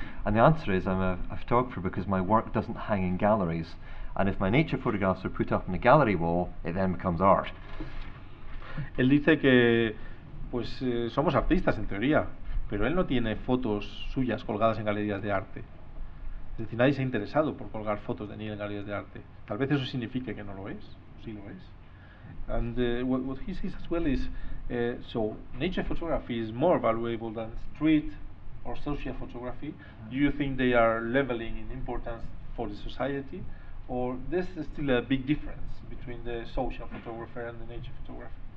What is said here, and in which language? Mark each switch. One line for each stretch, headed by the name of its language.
English: And the answer is I'm a photographer because my work doesn't hang in galleries. And if my nature photographs are put up in a gallery wall, it then becomes art.
Spanish: Él dice que pues somos artistas en teoría, pero él no tiene fotos suyas colgadas en galerías de arte. Es decir, nadie se ha interesado por colgar fotos de Neil en galerías de arte. Tal vez eso signifique que no lo es, o sí lo es.
English: And what he says as well is, so nature photography is more valuable than street or social photography. Do you think they are leveling in importance for the society, or this is still a big difference between the social photographer and the nature photographer?